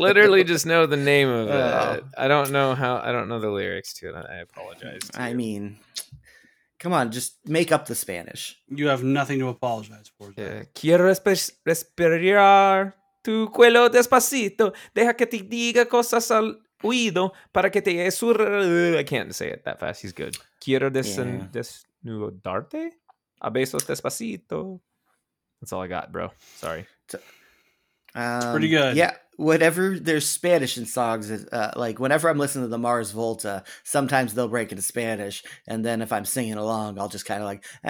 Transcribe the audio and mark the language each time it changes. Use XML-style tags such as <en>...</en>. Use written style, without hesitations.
<en>Literally just know the name of it. I don't know I don't know the lyrics to it. I apologize. I mean, come on, just make up the Spanish. You have nothing to apologize for. Yeah.</en> <es>Quiero respirar tu cuello despacito. Deja que te diga cosas al oído para que te asure.</es> <en>I can't say it that fast. He's good.</en> <es>Quiero desnudarte. A beso despacito.</es> <en>That's all I got, bro. Sorry. It's pretty good. Yeah, whatever. There's Spanish in songs. Like whenever I'm listening to the Mars Volta, sometimes they'll break into Spanish, and then if I'm singing along, I'll just kind of like.</en>